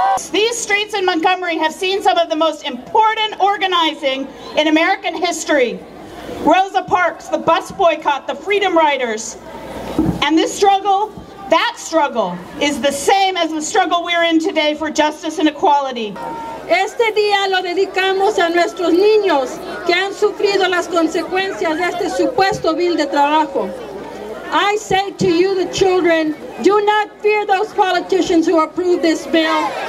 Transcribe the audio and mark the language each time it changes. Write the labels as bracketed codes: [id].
[en] These streets in Montgomery have seen some of the most important organizing in American history. Rosa Parks, the bus boycott, the Freedom Riders. And this struggle, that struggle, is the same as the struggle we're in today for justice and equality. [es] Este día lo dedicamos a nuestros niños que han sufrido las consecuencias de este supuesto bill de trabajo. [en] I say to you, the children, do not fear those politicians who approve this bill.